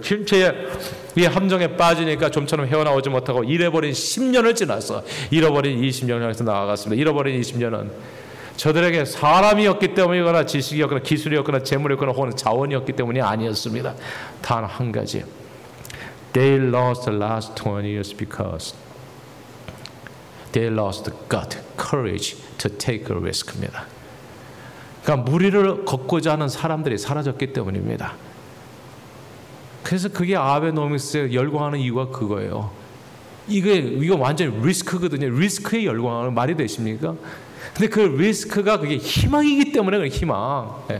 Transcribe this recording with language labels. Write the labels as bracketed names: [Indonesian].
[Korean] 침체에 이 함정에 빠지니까 좀처럼 헤어나오지 못하고 잃어버린 10년을 지나서 잃어버린 20년을 향해서 나아갔습니다. 잃어버린 20년은 저들에게 사람이었기 때문이거나 지식이었거나 기술이었거나 재물이었거나 혹은 자원이었기 때문이 아니었습니다. 단 한 가지. [English] They lost the last 20 years because they lost the gut, courage to take a risk [Korean] 입니다. 그러니까 무리를 걷고자 하는 사람들이 사라졌기 때문입니다. 그래서 그게 아베노믹스에 열광하는 이유가 그거예요. 이거 완전히 리스크거든요. 리스크에 열광하는 말이 되십니까? 근데 그 리스크가 그게 희망이기 때문에 그래, 희망.